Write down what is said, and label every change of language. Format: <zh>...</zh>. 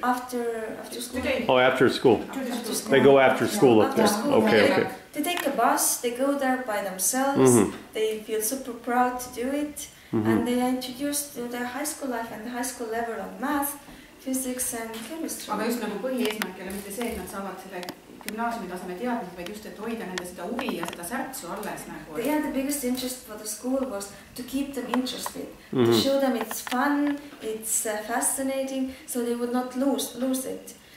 <en>After school. Today. Oh, after school. They go after school. Yeah. Up there. After school. Okay. Yeah. Okay. They take a bus. They go there by themselves. Mm-hmm. They feel super proud to do it. Mm-hmm. And they are introduced to their high school life and the high school level of math, physics and chemistry.</en> <et>Aga just nagu põhieesmärk ei ole mitte see, et nad saavad selle gümnaasiumi taseme teadmise, vaid just, et hoida nende seda huvi ja seda särtsu alles.</et> <en>Yeah, the biggest interest for the school was to keep them interested, mm-hmm. to show them it's fun, it's fascinating, so they would not lose it.</en>